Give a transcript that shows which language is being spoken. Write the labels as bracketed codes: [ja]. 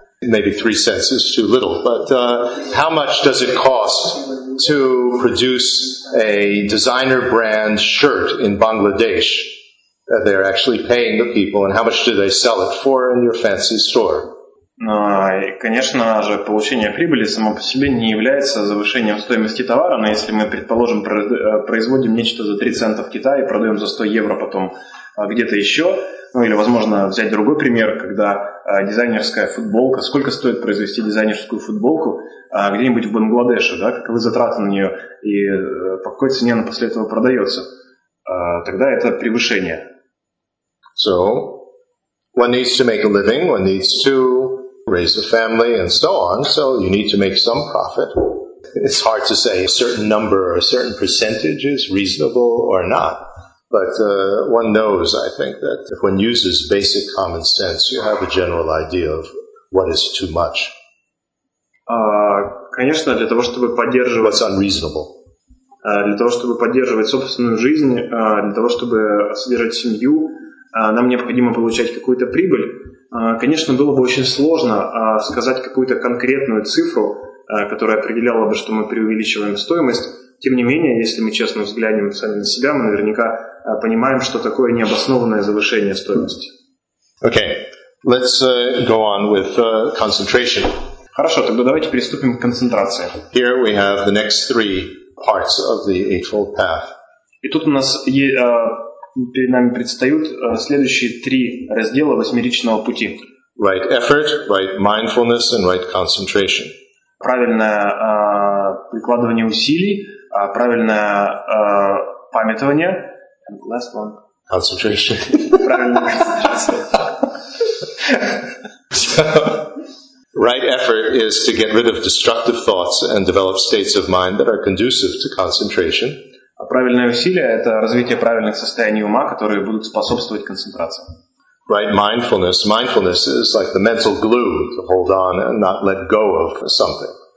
[en] Maybe 3 cents is too little, but how much does it cost to produce a designer brand shirt in Bangladesh that they're actually paying the people, and how much do they sell it for in your fancy store? [ru] Конечно же, получение прибыли само по себе не является завышением стоимости товара, но если мы, предположим, производим нечто за 3 цента в Китае и продаем за 100 евро потом где-то еще, ну или, возможно, взять другой пример, когда дизайнерская футболка, сколько стоит произвести дизайнерскую футболку где-нибудь в Бангладеше, да, каковы затраты на нее и по какой цене она после этого продается, тогда это превышение. [en] So, one needs to make a living, one needs to raise a family and so on, so you need to make some profit. It's hard to say a certain number or a certain percentage is reasonable or not. But one knows, I think, that if one uses basic common sense, you have a general idea of what is too much. [ru] Конечно, для того, чтобы поддерживать... [en] What's unreasonable. [ru] Для того, чтобы поддерживать собственную жизнь, для того, чтобы содержать семью, нам необходимо получать какую-то прибыль. Конечно, было бы очень сложно сказать какую-то конкретную цифру, которая определяла бы, что мы преувеличиваем стоимость. Тем не менее, если мы честно взглянем сами на себя, мы наверняка понимаем, что такое необоснованное завышение стоимости. [en] Okay, let's go on with concentration. [ru] Хорошо, тогда давайте приступим к концентрации. [en] Here we have the next three parts of the Eightfold Path. [ru] И тут у нас перед нами предстают следующие три раздела восьмеричного пути. [en] Right effort, right mindfulness, and right concentration. [ru] Правильное прикладывание усилий, правильное памятование. [en] And the last one. Concentration. [ru] Правильная концентрация. [en] Right effort is to get rid of destructive thoughts and develop states of mind that are conducive to concentration. [ru] Правильное усилие – это развитие правильных состояний ума, которые будут способствовать концентрации. [en] Right mindfulness. Mindfulness is like the mental glue to hold on and not let go of something.